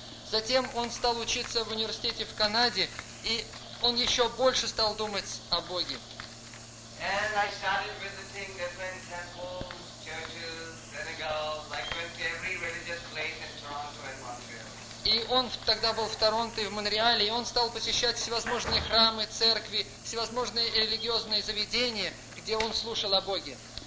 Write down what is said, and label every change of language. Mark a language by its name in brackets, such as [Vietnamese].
[Russian] Затем он стал учиться в университете в Канаде, и он еще больше стал думать о Боге. [English] And I started visiting different temples, churches, synagogues, like went to every religious place in Toronto and Montreal. [Russian] И он тогда был в Торонто и в Монреале, и он стал посещать всевозможные храмы, церкви, всевозможные религиозные заведения, где он слушал о Боге.